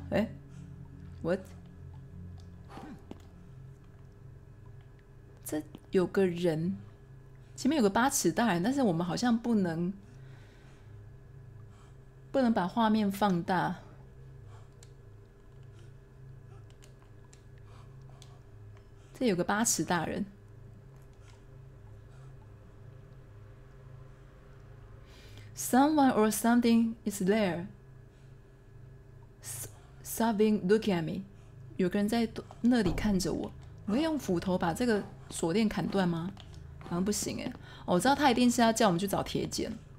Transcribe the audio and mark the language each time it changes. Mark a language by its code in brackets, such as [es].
[en] 哎、欸、， what？ [zh] 这有个人，前面有个8尺大人，但是我们好像不能把画面放大。这有个8尺大人， [en] someone or something is there。 Something looking at me， [zh] 有个人在那里看着我。我可以用斧头把这个锁链砍断吗？好像不行哎、欸哦。我知道他一定是要叫我们去找铁剪。